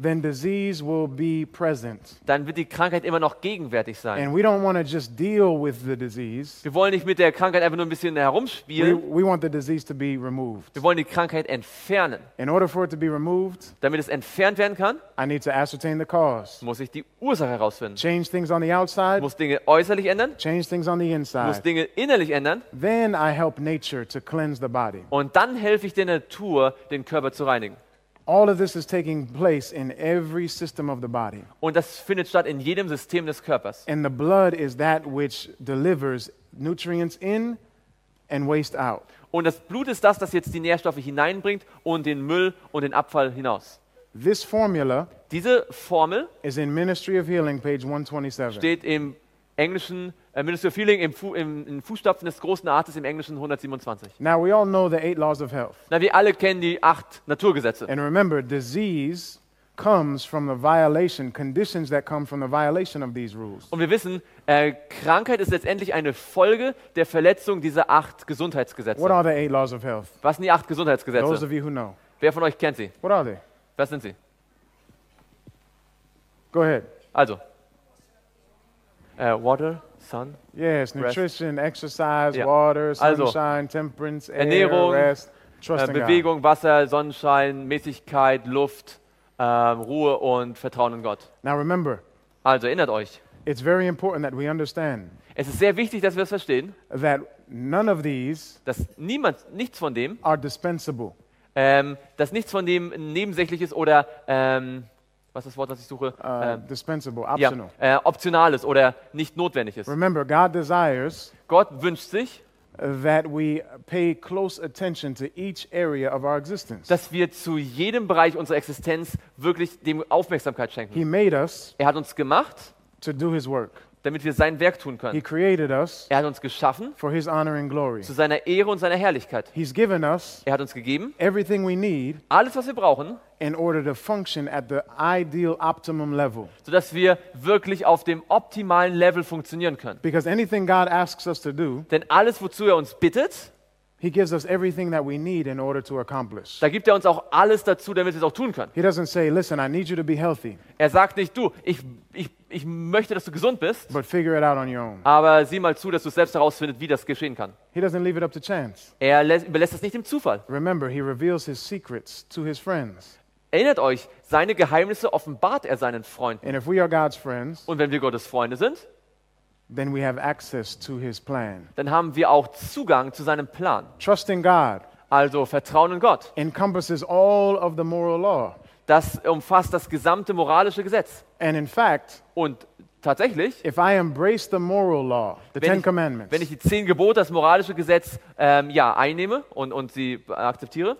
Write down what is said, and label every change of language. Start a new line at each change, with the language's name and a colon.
English: then disease will be present.
German: Dann wird die Krankheit immer noch gegenwärtig sein.
English: And we don't want to just deal with the disease.
German: Wir wollen nicht mit der Krankheit einfach nur ein bisschen herumspielen.
English: We want the disease to be removed.
German: Wir wollen die Krankheit entfernen.
English: In order for it to be removed,
German: damit es entfernt werden kann,
English: I need to ascertain the cause.
German: Muss ich die Ursache herausfinden.
English: Change things on the outside.
German: Muss Dinge äußerlich ändern.
English: Change things on the inside.
German: Muss Dinge innerlich ändern.
English: Then I help nature to cleanse the body.
German: Und dann helfe ich den Natur, den Körper zu reinigen.
English: All of this is taking place in every system of the body.
German: Und das findet statt in jedem System des Körpers.
English: And the blood is that which delivers nutrients in and waste out.
German: Und das Blut ist das, das jetzt die Nährstoffe hineinbringt und den Müll und den Abfall hinaus.
English: This formula,
German: diese Formel,
English: is in Ministry of Healing, page 127.
German: Steht im englischen Ministry of Healing im Fußstapfen des großen Arztes im englischen 127.
English: Now we all know the 8 laws of health.
German: Na, wir alle kennen die 8 Naturgesetze.
English: And remember, disease comes from the violation, conditions that come from the violation of these rules.
German: Und wir wissen, Krankheit ist letztendlich eine Folge der Verletzung dieser 8 Gesundheitsgesetze.
English: What are the 8 laws of health?
German: Was sind die 8 Gesundheitsgesetze?
English: Those of you who know.
German: Wer von euch kennt sie?
English: What are they?
German: Was sind sie?
English: Go ahead. Also, water, sun, yes, nutrition, rest. Exercise, yeah. Water, sunshine,
German: also,
English: temperance,
German: Ernährung,
English: air, rest, trusting Bewegung, God.
German: Wasser, Sonnenschein, Mäßigkeit, Luft, Ruhe und Vertrauen in Gott.
English: Now remember,
German: also erinnert euch,
English: It's very important that we understand.
German: Es ist sehr wichtig, dass wir es verstehen.
English: That none of these.
German: Dass niemand, nichts von dem.
English: Are dispensable.
German: Dass nichts von dem nebensächlich ist oder was ist das Wort, was ich suche?
English: Dispensable, optional.
German: Ja, optional ist oder nicht notwendig ist.
English: Remember, God desires.
German: Gott wünscht sich.
English: That we pay close attention to each area of our existence.
German: Dass wir zu jedem Bereich unserer Existenz wirklich dem Aufmerksamkeit schenken.
English: He made us.
German: Er hat uns gemacht.
English: To do his work.
German: Damit wir sein Werk tun können.
English: He created us.
German: Er hat uns geschaffen.
English: For his honor and glory.
German: Zu seiner Ehre und seiner Herrlichkeit.
English: He's given us.
German: Er hat uns gegeben.
English: Everything we need.
German: Alles, was wir brauchen.
English: In order to function at the ideal optimum level.
German: So dass wir wirklich auf dem optimalen Level funktionieren können.
English: Because anything God asks us to do.
German: Denn alles, wozu er uns bittet.
English: He gives us everything that we need in order to accomplish.
German: Da gibt er uns auch alles dazu, damit wir es auch tun können.
English: He doesn't say, listen, I need you to be healthy.
German: Er sagt nicht, du, ich möchte, dass du gesund bist.
English: But figure it out on your own.
German: Aber sieh mal zu, dass du selbst herausfindest, wie das geschehen kann.
English: He doesn't leave it up to chance.
German: Er überlässt es nicht dem Zufall.
English: Remember, he reveals his secrets to his friends.
German: Erinnert euch, seine Geheimnisse offenbart er seinen Freunden.
English: And if we are God's friends,
German: und wenn wir Gottes Freunde sind,
English: then we have access to his plan.
German: Dann haben wir auch Zugang zu seinem Plan.
English: Trust in God.
German: Also Vertrauen in Gott.
English: Encompasses all of the moral law.
German: Das umfasst das gesamte moralische Gesetz.
English: And in fact,
German: und tatsächlich,
English: if I embrace the moral law, the Ten Commandments,
German: wenn ich die zehn Gebote, das moralische Gesetz, einnehme und sie akzeptiere,